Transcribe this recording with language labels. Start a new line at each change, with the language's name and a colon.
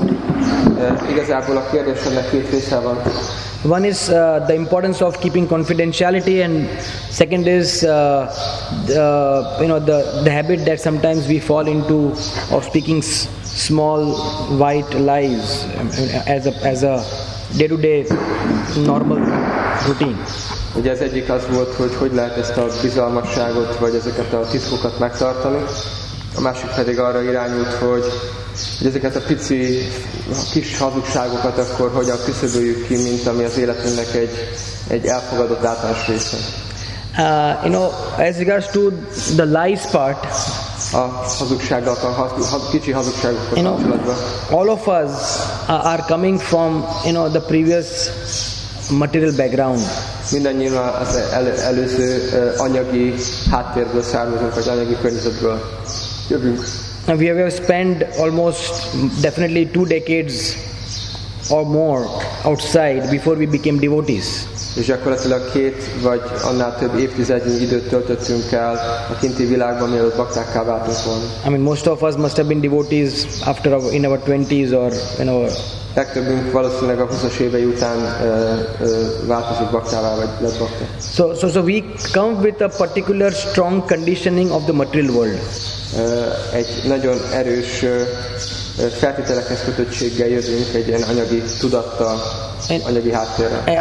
English: One is the importance of keeping confidentiality, and second is the habit that sometimes we fall into of speaking small white lies as a day-to-day normal routine.
Hungarian: Ugye ez egyik az volt, hogy lehet ezt a bizalmasságot, vagy ezeket a titkokat megtartani. A másik pedig arra irányult, hogy ezeket a pici, kis hazugságokat akkor hogyan küszöböljük ki, mint ami az életünknek egy elfogadott általános része.
English: As regards to the lies part,
Hungarian: a hazugsággal, kicsi hazugságokkal kapcsolatban,
English: all of us are coming from, the previous material background.
Hungarian: Mindannyian az előző anyagi háttérből származunk, vagy anyagi környezetből jövünk.
English: We have spent almost definitely 2 decades or more outside before we became devotees.
Hungarian: És gyakorlatilag 2 vagy annál több évtizednyi időt töltöttünk el a kinti világban, mielőtt baktákká váltunk volna.
English: I mean, most of us must have been devotees after in our 20s or
Hungarian: Legtöbbünk valószínűleg a 20-as évei után változott baktává, vagy lett bakta.
English: So we come with a particular strong conditioning of the material world.
Hungarian: Egy nagyon erős feltételekhez kötöttséggel jövünk, egy ilyen anyagi tudattal, anyagi háttérre.